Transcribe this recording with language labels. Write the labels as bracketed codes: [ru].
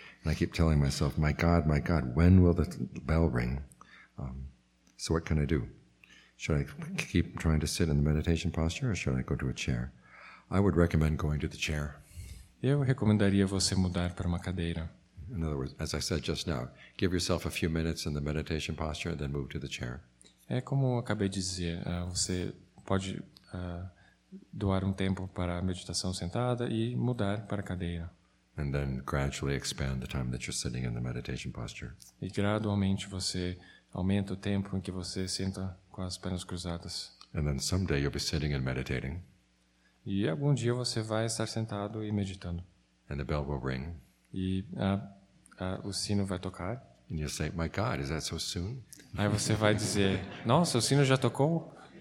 [en] And I keep telling myself, my God, when will the bell ring? So what can I do? Should I keep trying to sit in the meditation posture or should I go to a chair? I would recommend going to the chair. [pt] Eu recomendaria você mudar para uma cadeira. [en] In other words, as I said just now, give yourself a few minutes in the meditation posture and then move to the chair. [pt] É como eu acabei de dizer, você pode doar um tempo para a meditação sentada e mudar para a cadeira. [en] And then gradually expand the time that you're sitting in the meditation posture. [pt] E gradualmente você aumenta o tempo em que você senta com as pernas cruzadas. [en] And then someday you'll be sitting and meditating. [pt] E algum dia você vai estar sentado e meditando. [en] And the bell will ring. [pt] E o sino vai tocar. [en] And you'll say, my God, is that so soon? [pt] Aí você vai dizer, nossa, o sino já tocou?